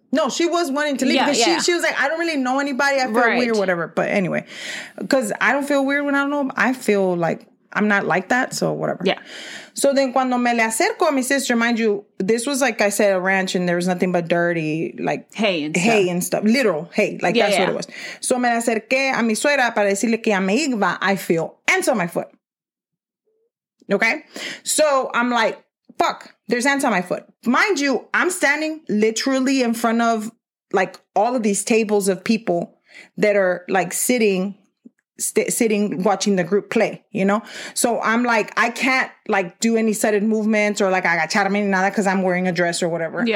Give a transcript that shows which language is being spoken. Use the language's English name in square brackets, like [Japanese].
[English] No, she was wanting to leave because she was like, I don't really know anybody. I feel weird, whatever. But anyway, because I don't feel weird when I don't know. I feel like I'm not like that. So whatever. Yeah. So then [Spanish] cuando me le acerco a mi [English] sister, mind you, this was like I said, a ranch and there was nothing but dirty, like hay and stuff. Literal hay. Like that's what it was. [Spanish] So me le acerqué a mi suegra para decirle que ya me iba. [English] I feel ants on my foot. Okay. So I'm like, fuck, there's ants on my foot. Mind you, I'm standing literally in front of like all of these tables of people that are like sitting, watching the group play, you know? So I'm like, I can't like do any sudden movements or like [Spanish] agacharme ni nada [English] because I'm wearing a dress or whatever.